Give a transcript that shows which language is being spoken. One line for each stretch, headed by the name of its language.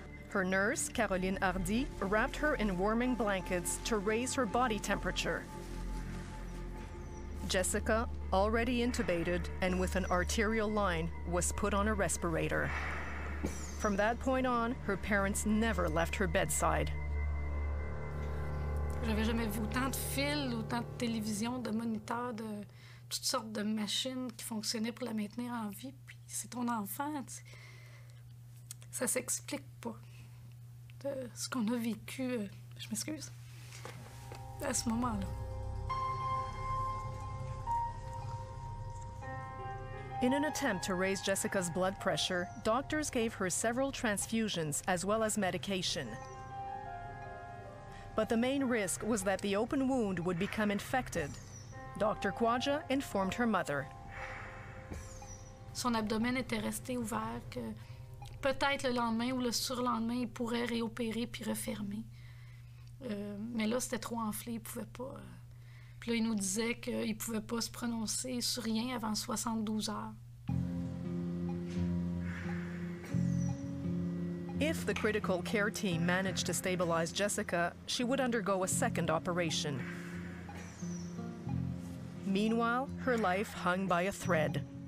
English: Her nurse, Caroline Hardy, wrapped her in warming blankets to raise her body temperature. Jessica, already intubated and with an arterial line, was put on a respirator. From that point on, her parents never left her bedside.
French: J'avais jamais vu autant de fils, autant de télévision, de moniteurs, de toutes sortes de machines qui fonctionnaient pour la maintenir en vie. Puis c'est ton enfant, tu sais. Ça s'explique pas de ce qu'on a vécu, je m'excuse, à ce moment-là.
English: In an attempt to raise Jessica's blood pressure, doctors gave her several transfusions as well as medication. But the main risk was that the open wound would become infected. Dr. Kwaja informed her mother.
French: Son abdomen était resté ouvert, que peut-être le lendemain ou le surlendemain, il pourrait réopérer puis refermer. Mais là, c'était trop enflé, il pouvait pas. Puis là, il nous disait qu'il pouvait pas se prononcer sur rien avant 72 heures.
English: If the critical care team managed to stabilize Jessica, she would undergo a second operation. Meanwhile, her life hung by a thread.